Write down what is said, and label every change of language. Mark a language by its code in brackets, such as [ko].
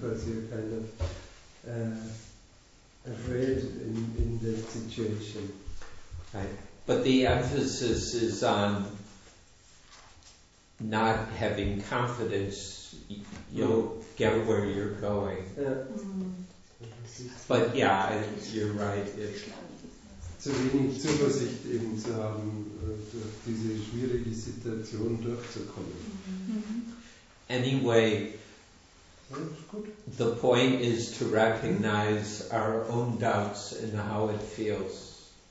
[en] Because you're kind of afraid in that situation. Right. But the emphasis is on not having confidence, you'll get where you're going. Yeah. But yeah, you're right. [de] Zu wenig Zuversicht eben zu haben, durch diese schwierige Situation durchzukommen. [en] Mm-hmm. Anyway, good. The point is to recognize our own doubts and how it feels.